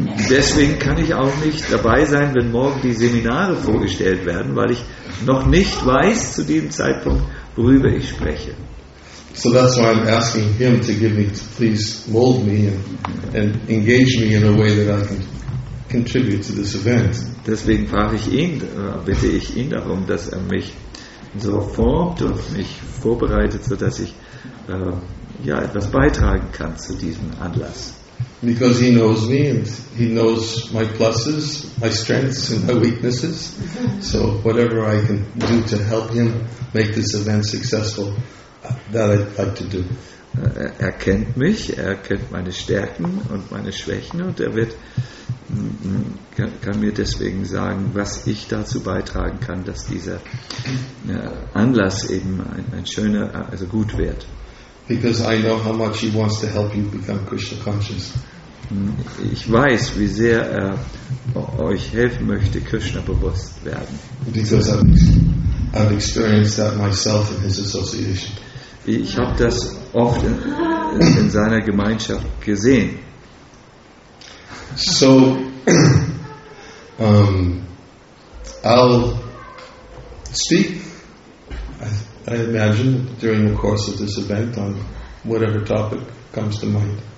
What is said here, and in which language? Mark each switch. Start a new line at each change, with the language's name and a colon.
German: Deswegen kann ich auch nicht dabei sein, wenn morgen die Seminare vorgestellt werden, weil ich noch nicht weiß zu diesem Zeitpunkt, worüber ich spreche.
English: So that's why I'm asking him to give me, to please mold me and engage me in a way that I can contribute to this event.
German: Deswegen frage ich ihn, bitte ich ihn darum, dass er mich so formt und mich vorbereitet, sodass ich etwas beitragen kann zu diesem Anlass.
English: Because he knows me and he knows my pluses, my strengths and my weaknesses. So whatever I can do to help him make this event successful, that I like to do.
German: Er kennt mich, er kennt meine Stärken und meine Schwächen und er wird kann mir deswegen sagen, was ich dazu beitragen kann, dass dieser Anlass eben ein schöner, also gut wird.
English: Because I know how much he wants to help you become Krishna conscious.
German: Ich weiß, wie sehr er euch helfen möchte, Krishna bewusst werden.
English: Because I've experienced that myself in his association.
German: Ich habe das oft in seiner Gemeinschaft gesehen.
English: So, I'll speak, I imagine, during the course of this event on whatever topic comes to mind.